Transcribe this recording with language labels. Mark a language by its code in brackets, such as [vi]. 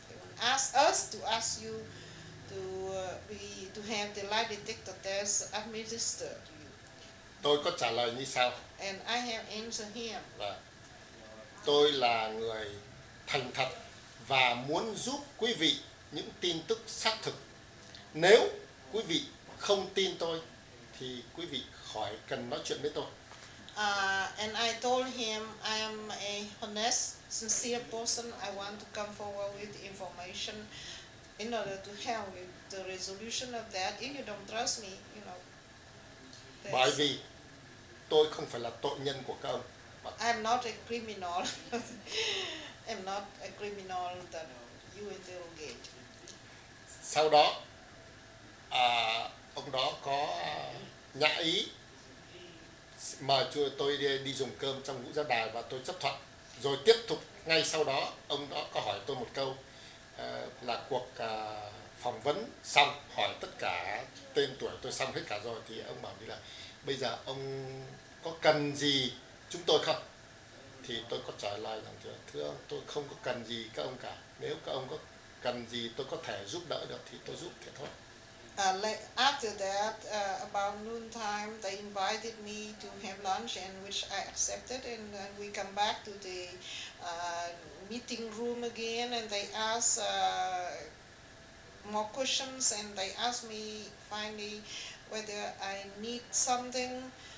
[en] They will ask us to ask you to have the lie detector test administered to you. [vi] Tôi có trả lời như sau. [en] And I have answered him. [vi] Tôi là người thành thật và muốn giúp quý vị những tin tức xác thực. Nếu quý vị không tin tôi thì quý vị khỏi cần nói chuyện với tôi. [en] And I told him I am a honest, sincere person. I want to come forward with information in order to help with the resolution of that. If you don't trust me, you know. [vi] Bởi vì tôi không phải là tội nhân của các ông. [en] I'm not a criminal. I'm not a criminal that you interrogate. [vi] Sau đó, ông đó có nhã ý mời chùa tôi đi dùng cơm trong Ngũ Giác Đài và tôi chấp thuận. Rồi tiếp tục ngay sau đó, ông đó có hỏi tôi một câu là cuộc phỏng vấn xong, hỏi tất cả tên tuổi tôi xong hết cả rồi, thì ông bảo như là bây giờ ông có cần gì chúng tôi không? Thì tôi có trả lời rằng thưa ông, tôi không có cần gì các ông cả. Nếu các ông có cần gì tôi có thể giúp đỡ được thì tôi giúp thì thôi. [en] After that, about noon time, they invited me to have lunch, and which I accepted. And then we come back to the meeting room again, and they ask more questions, and they ask me finally whether I need something.